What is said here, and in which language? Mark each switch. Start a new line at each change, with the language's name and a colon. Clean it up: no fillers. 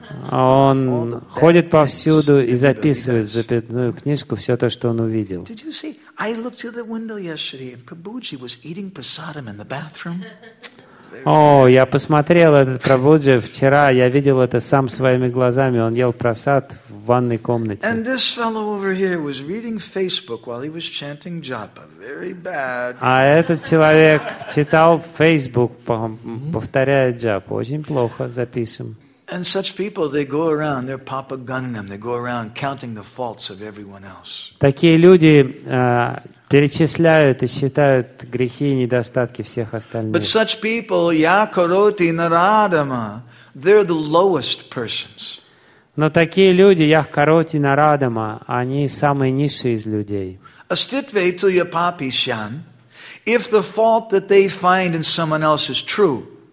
Russian: Он ходит повсюду и записывает в записную книжку все то, что он увидел.
English: Did you see? I looked through the window yesterday, and Prabhuji was eating prasadam in the bathroom.
Russian: О, я посмотрел этот Прабуджи вчера, я видел это сам своими глазами, он ел просад в ванной комнате. А этот человек читал Facebook, повторяя джапу, очень плохо записан.
English: And such people, they go around, they're papagananam, they go around counting the faults of everyone else.
Russian: Такие люди перечисляют и считают грехи и недостатки всех остальных.
English: But such people, yakaroti naradama, they're the lowest persons.
Russian: Но такие люди, yakaroti naradama, они самые низшие из людей.
Sanskrit: Astitve tuya papishyan,
English: if the fault that they find in someone else is true.